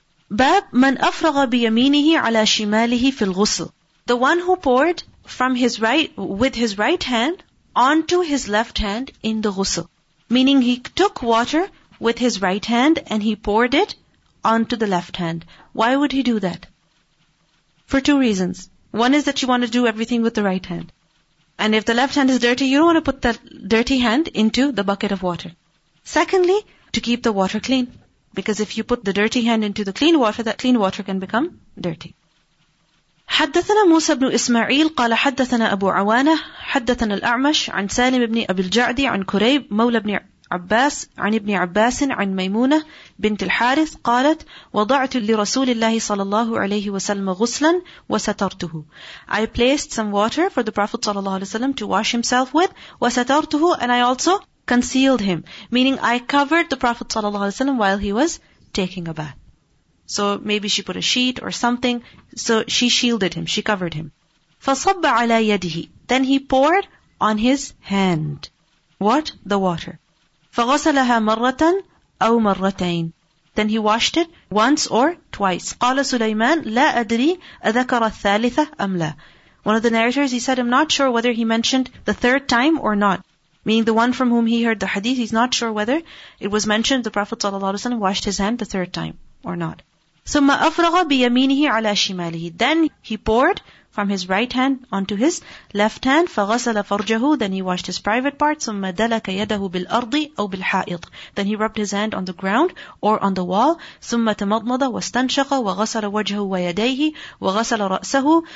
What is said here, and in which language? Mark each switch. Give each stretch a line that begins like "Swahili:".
Arabic: باب من أفرغ بيمينه على شماله في الغسل.
English: The one who poured from his right, with his right hand onto his left hand in the ghusl. Meaning he took water with his right hand and he poured it onto the left hand. Why would he do that? For two reasons. One is that you want to do everything with the right hand. And if the left hand is dirty, you don't want to put that dirty hand into the bucket of water. Secondly, to keep the water clean. Because if you put the dirty hand into the clean water, that clean water can become dirty.
Arabic: حدثنا موسى بن إسماعيل قال حدثنا أبو عوانة حدثنا الأعمش عن سالم بن أبي الجعد عن كريب مولى بن عباس عن ابن عباس عن ميمونة بنت الحارث قالت وضعت لرسول الله صلى الله عليه وسلم غسلا وسترته.
English: I placed some water for the Prophet
Arabic: صلى الله عليه وسلم
English: to wash himself with.
Arabic: وسترته,
English: and I also concealed him, meaning I covered the Prophet
Arabic: صلى الله عليه وسلم
English: while he was taking a bath. So maybe she put a sheet or something, so she shielded him, she covered him.
Arabic: فصب على يده.
English: Then he poured on his hand. What? The water.
Arabic: فغسلها مرة أو مرتين.
English: Then he washed it once or twice.
Arabic: قال سليمان لا أدري أذكر الثالثة أم لا.
English: One of the narrators, he said, I'm not sure whether he mentioned the third time or not. Meaning the one from whom he heard the hadith, he's not sure whether it was mentioned the Prophet ﷺ washed his hand the third time or not.
Arabic: ثم أفرغ بيمينه على شماله.
English: Then he poured from his right hand onto his left hand.
Arabic: فغسل فرجه.
English: Then he washed his private part.
Arabic: ثم دلك يده بالأرض أو بالحائط.
English: Then he rubbed his hand on the ground or on the wall.
Arabic: ثم تمضمض واستنشق وغسل وجهه ويديه وغسل رأسه.